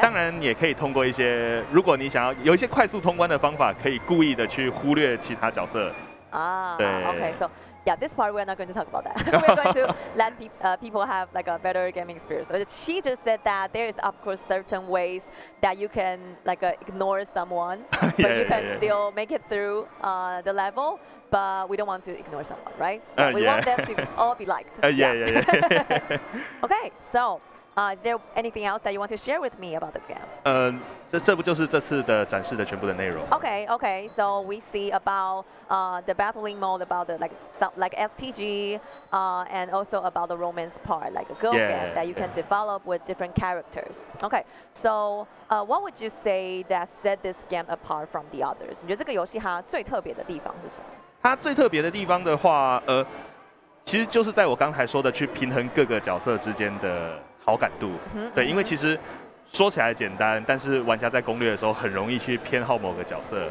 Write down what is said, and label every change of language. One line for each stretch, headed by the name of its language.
Chinese: 当然也可以通过一些，如果你想要有一些快速通关的方法，可以故意的去忽略其他角色。对。
English: Okay, so yeah, this part we're not going to talk about that. we're going to let people have like a better gaming experience. But she just said that there is of course certain ways that you can like ignore someone, but yeah, you can yeah, still yeah. make it through the level. But we don't want to ignore someone, right? Yeah, we want them to all be liked. Yeah. okay, so is there anything else that you want to share with me about this game?
Chinese: 这不就是这次的展示的全部的内容
English: ？Okay, okay. So we see about the battling mode, about the like STG, and also about the romance part, like a girl game that you can develop with different characters. Okay. So what would you say that set this game apart from the others?
Chinese: 你觉得这个游戏它最特别的地方是什么？它最特别的地方的话，其实就是在我刚才说的，去平衡各个角色之间的好感度。对，因为其实说起来简单，但是玩家在攻略的时候很容易去偏好某个角色。